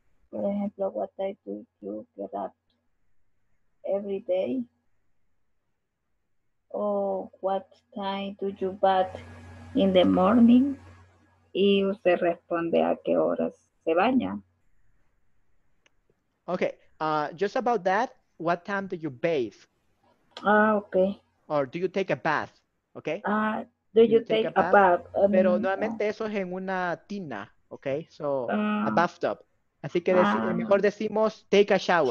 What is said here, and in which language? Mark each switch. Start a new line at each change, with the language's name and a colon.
English: For example, what I do to get up every day, or what time do you bath in the morning?
Spanish: Y usted responde a qué horas se baña.
English: Okay, just about that, what time do you bathe? Ah, okay. Or do you take a bath? Okay. Do you take a bath?
Spanish: Pero normalmente eso es en una tina.
English: Okay. So a bathtub.
Spanish: Así que mejor decimos
English: take a shower.